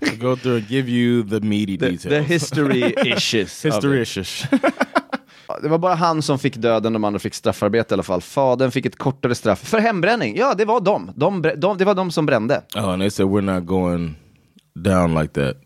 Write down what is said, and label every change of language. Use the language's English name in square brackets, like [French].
[English] To go through and give you the meaty details. The history-ishes. History-ishes. [Swedish] Det var bara han som fick döden, de andra fick straffarbete i alla fall. Fadern fick ett kortare straff för hembränning. Ja, det var det var de som brände. [English] Oh, and they said we're not going down like that.